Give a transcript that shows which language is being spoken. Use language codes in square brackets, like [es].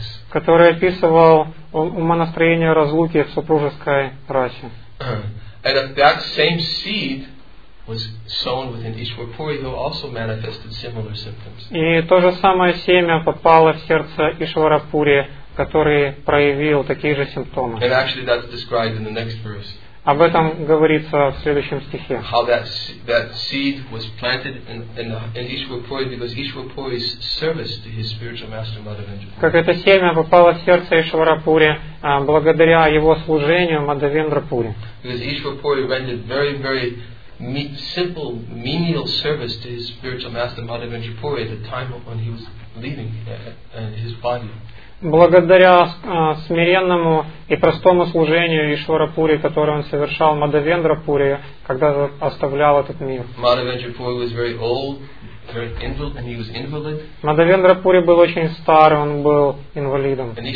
[ru] Который описывал умонастроение разлуки в супружеской расе. [en] And that same seed was sown within Ishwar Puri, who also manifested similar symptoms. [ru] И то же самое семя попало в сердце Ишвара Пури, который проявил такие же симптомы. [en] And actually that's described in the next verse. [ru] Об этом говорится в следующем стихе. [en] How that seed was planted in Ishwar Puri because Ishwar Puri's service to his spiritual master Madhavendra. [ru] Как это семя попало в сердце Ишвара Пури благодаря его служению Мадхавендра Пури. [en] Because Ishwar Puri rendered very, very simple, menial service to his spiritual master Madhavendra Puri at the time when he was leaving his body. [ru] Благодаря смиренному и простому служению Ишвара Пури, которое он совершал Мадхавендра Пури, когда оставлял этот мир. Мадхавендра Пури был очень стар, он был инвалидом.